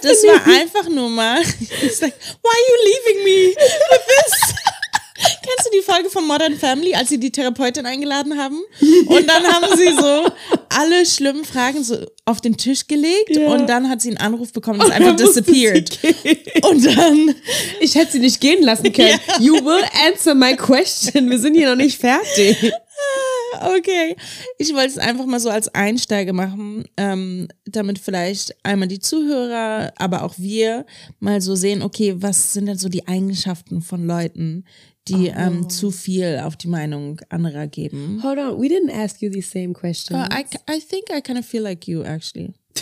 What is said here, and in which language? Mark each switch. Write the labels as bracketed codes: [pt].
[de] Das war einfach nur mal, [en] it's like, why are you leaving me with this? [de] Kennst du die Folge von Modern Family, als sie die Therapeutin eingeladen haben? Und dann haben sie so alle schlimmen Fragen so auf den Tisch gelegt und dann hat sie einen Anruf bekommen, ist einfach disappeared. Und dann, ich hätte sie nicht gehen lassen können. [en] Yeah. You will answer my question. [de] Wir sind hier noch nicht fertig. Okay, ich wollte es einfach mal so als Einsteiger machen, damit vielleicht einmal die Zuhörer, aber auch wir mal so sehen, okay, was sind denn so die Eigenschaften von Leuten, die zu viel auf die Meinung anderer geben. [en] Hold on, we didn't ask you the same questions. Oh, I think I kind of feel like you, actually.